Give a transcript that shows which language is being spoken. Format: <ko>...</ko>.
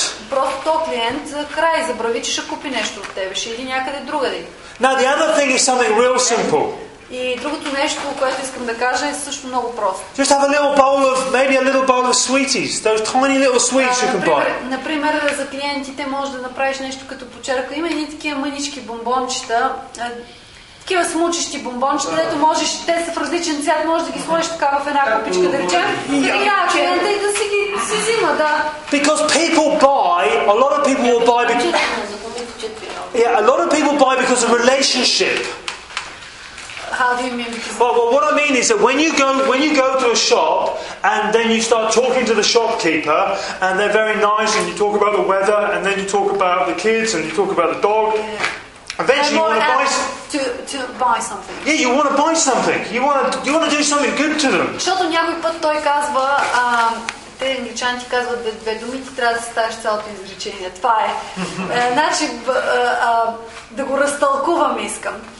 <bg>Просто то клиент край, забрави, че ще купи нещо от тебе, ще иди някъде другаде.</bg> <en>Now the other thing is something real simple.</en> <bg>И другото нещо, което искам да кажа, е също много просто.</bg> <en>Just have a little bowl of, maybe a little bowl of sweeties, those tiny little sweets you can buy.</en> <bg>Например, за клиентите може да направиш нещо като почерка. Има едни такива мънички бомбончета, такива смучещи бомбончета, дето можеш, те са в различен цвят, можеш да ги сложиш така в една купичка, да речем. Клиента и да си ги си взима, да.</bg> <en>Because people buy, a lot of people will buy because... Yeah, a lot of people buy because of relationship. How do you mean? Well, what I mean is that when you go to a shop and then you start talking to the shopkeeper and they're very nice and you talk about the weather and then you talk about the kids and you talk about the dog, yeah. Eventually you want to buy something. Yeah, you want to buy something. You want to do something good to them.</en> <bg>Защото някой път той казва, те англичаните казват две думи, ти трябва да съставиш цялото изречение. Това е. Значи да го разтълкувам искам.</bg>